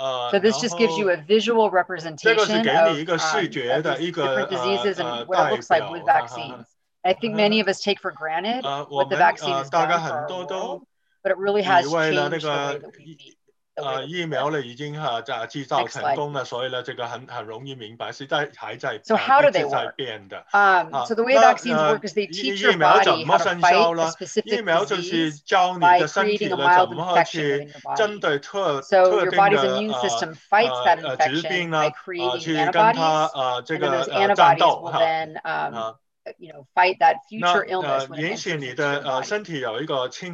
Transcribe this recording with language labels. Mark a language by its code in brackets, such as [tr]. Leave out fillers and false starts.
[en] So this just gives you a visual representation of different diseases and what it looks like with vaccines. I think many of us take for granted what the vaccine is doing for our world, but it really has changed the way that we need. [zh] 疫苗已经制造成功了，所以这个很容易明白，是在还在一直在变的。 [en] So the way vaccines work is they teach your body how to fight a specific disease by creating a mild infection in your body. So your body's immune system fights that infection by creating antibodies, and those antibodies will then fight that future illness when it enters into your body.